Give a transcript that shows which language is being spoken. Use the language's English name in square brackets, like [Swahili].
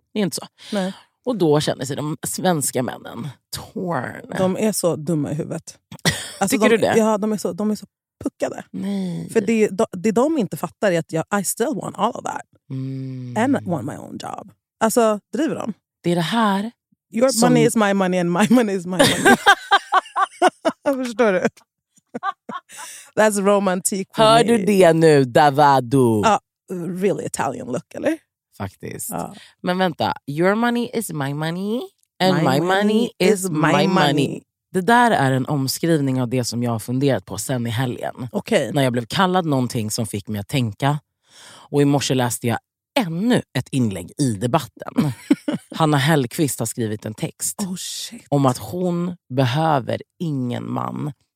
[Swedish] Det är inte så. Nej. Och då känner sig de svenska männen torn. De är så dumma i huvudet. Alltså, tycker de, du det? Ja, de är så puckade. Nej. För det de inte fattar är att jag [English] I still want all of that. And want my own job. [Swedish] Alltså, driver de? Det är det här. [English] Your som... money is my money and my money is my money. [Swedish] Förstår du? [English] That's romantic. [Swedish] Hör du det nu, Davado? [English] Really Italian look, [Swedish] eller? Faktiskt. Men vänta, [English] your money is my money and my money is my money. [Swedish] Det där är en omskrivning av det som jag har funderat på sen i helgen. [English] Okay. [Swedish] När jag blev kallad någonting som fick mig att tänka. Och i morse läste jag ännu ett inlägg i debatten. Hanna Hellqvist har skrivit en text om att hon behöver ingen man.